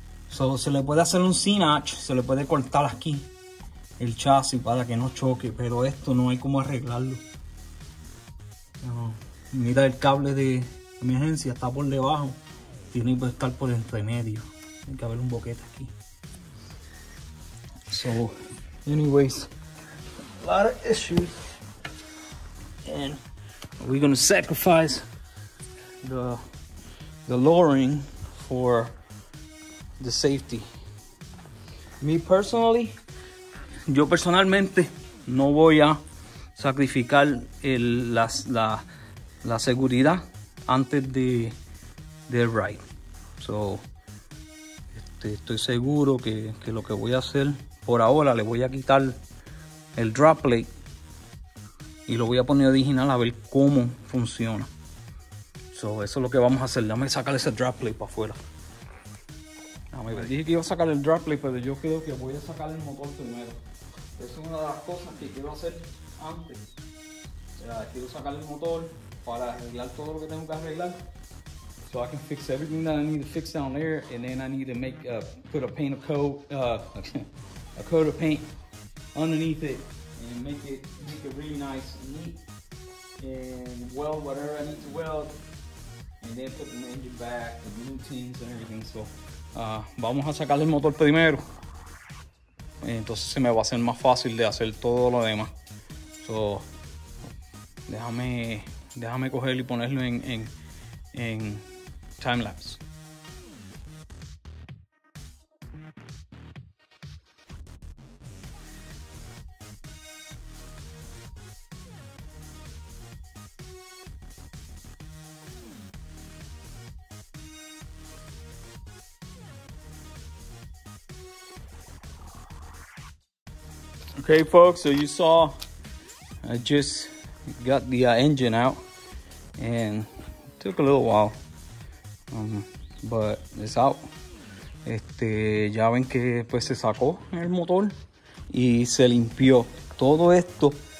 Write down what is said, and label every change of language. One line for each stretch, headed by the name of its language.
Spanish: So, se le puede hacer un C-notch. Se le puede cortar aquí el chasis para que no choque, pero esto no hay como arreglarlo. No. Mira, el cable de emergencia está por debajo, tiene que estar por entre medio, hay que haber un boquete aquí.
English: So, anyways, a lot of issues, and we're gonna sacrifice the lowering for the safety. Me personally,
Spanish: yo personalmente no voy a sacrificar la seguridad antes de ride. So, estoy seguro que lo que voy a hacer por ahora, le voy a quitar el drop plate y lo voy a poner original a ver cómo funciona. So, eso es lo que vamos a hacer. Déjame sacar ese drop plate para afuera. Dije que iba a sacar el drop plate, pero yo creo que voy a sacar el motor primero. Esa es una de las cosas que quiero hacer antes. O sea, quiero sacar el motor para arreglar todo lo que tengo que arreglar.
English: So I can fix everything that I need to fix down there, and then I need to make put a paint of coat a coat of paint underneath it and make it really nice and neat and weld whatever I need to weld, and then put the engine back, the new tins and everything.
Spanish: So vamos a sacar el motor primero, entonces se me va a hacer más fácil de hacer todo lo demás. So, déjame cogerlo y ponerlo en time lapse.
English: Okay, folks, so you saw I just got the engine out, and it took a little while, but it's out.
Spanish: Ya ven que pues se sacó el motor y se limpió todo esto.